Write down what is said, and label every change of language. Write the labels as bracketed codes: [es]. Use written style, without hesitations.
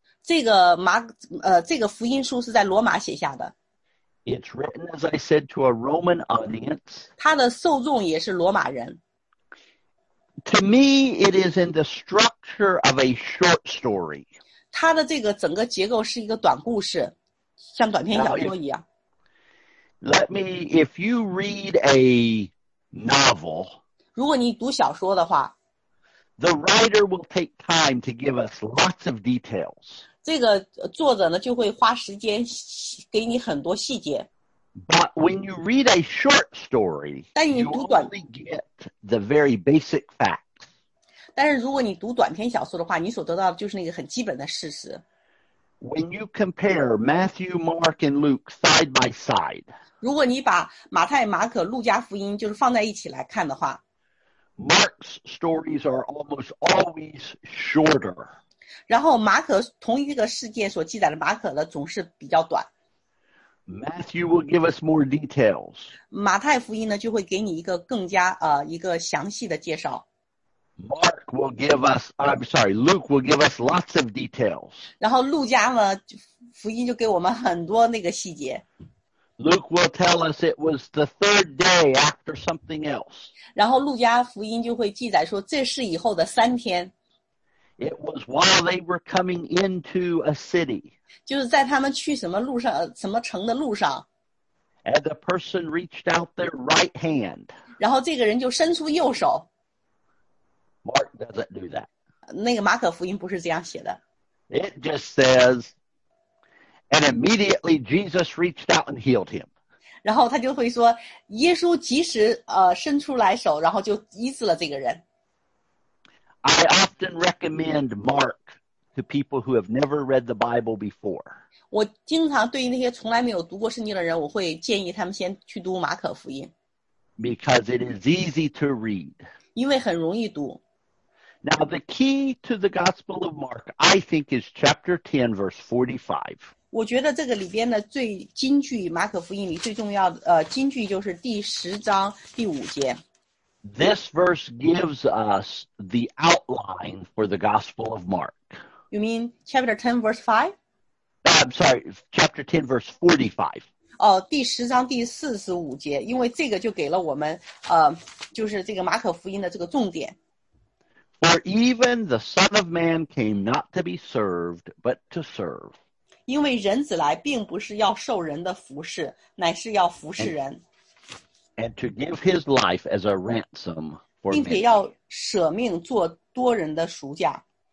[zh] 这个福音书是在罗马写下的。 [en] It's written, as I said, to a Roman audience. [zh] 它的受众也是罗马人。 [en] To me, it is in the structure of a short story. [zh] 它的这个整个结构是一个短故事，像短篇小说一样。 [en] If you read a novel, [zh] 如果你读小说的话， [en] the writer will take time to give us lots of details. [zh] 这个作者呢，就会花时间给你很多细节。 [en] But when you read a short story, [zh] 但你读短 [en] you only get the very basic facts. [zh] 但是如果你读短篇小说的话，你所得到的就是那个很基本的事实。 [en] When you compare Matthew, Mark, and Luke side by side, [zh] 如果你把马太、马可、路加福音就是放在一起来看的话， [en] Mark's stories are almost always shorter. [zh] 然后马可同一个事件所记载的马可的总是比较短。 [en] Matthew will give us more details. [zh] 马太福音呢就会给你一个更加一个详细的介绍。 [en] Mark will give us, I'm sorry, Luke will give us lots of details. [zh] 然后路加呢福音就给我们很多那个细节。 [en] Luke will tell us it was the third day after something else. [zh] 然后路加福音就会记载说这是以后的三天。 [en] It was while they were coming into a city. [zh] 就是在他们去什么路上，什么城的路上。 [en] And the person reached out their right hand. [zh] 然后这个人就伸出右手。 [en] Mark doesn't do that. [zh] 那个马可福音不是这样写的。 [en] It just says, and immediately Jesus reached out and healed him. [zh] 然后他就会说，耶稣及时伸出来手，然后就医治了这个人。 [en] I often recommend Mark to people who have never read the Bible before. [zh] 我经常对于那些从来没有读过圣经的人，我会建议他们先去读马可福音。 [en] Because it is easy to read. [zh] 因为很容易读。 [en] Now the key to the Gospel of Mark, I think, is chapter 10, verse 45. [zh] 我觉得这个里边的最金句，马可福音里最重要的金句就是第十章第五节。 [en] This verse gives us the outline for the Gospel of Mark. You mean chapter 10, verse 5? I'm sorry, chapter 10, verse 45. [zh] 哦，第十章第四十五节，因为这个就给了我们就是这个马可福音的这个重点。 [en] For even the Son of Man came not to be served, but to serve. [zh] 因为人子来并不是要受人的服侍，乃是要服侍人。 [en] And to give his life as a ransom for many. [zh] 并且要舍命做多人的赎价。